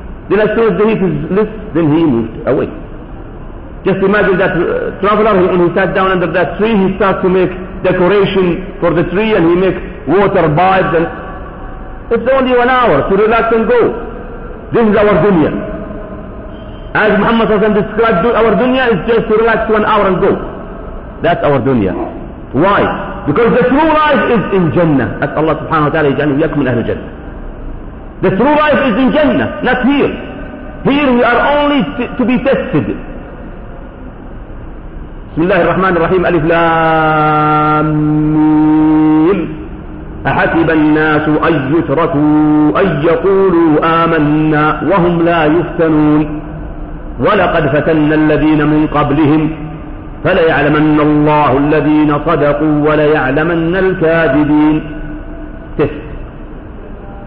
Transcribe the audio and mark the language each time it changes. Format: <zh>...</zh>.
<en>Then as soon as the heat is less, then he moved away. Just imagine that traveler, when he sat down under that tree, he starts to make decoration for the tree and he makes water pipes and... It's only 1 hour to relax and go. This is our dunya. As Muhammad Hassan described, our dunya is just to relax 1 hour and go. That's our dunya. Why? Because the true life is in Jannah. That Allah subhanahu wa ta'ala</en> <ar>يجعله إياكم من أهل الجنة.</ar> <en>The true life is in Jannah, not here. Here we are only to be tested.</en> <ar>بسم الله الرحمن الرحيم ألف لام ميم أحسب الناس أن يتركوا أن يقولوا آمنا وهم لا يفتنون ولقد فتنا الذين من قبلهم فليعلمن الله الذين صدقوا وليعلمن الكاذبين</ar> <en>test.</en>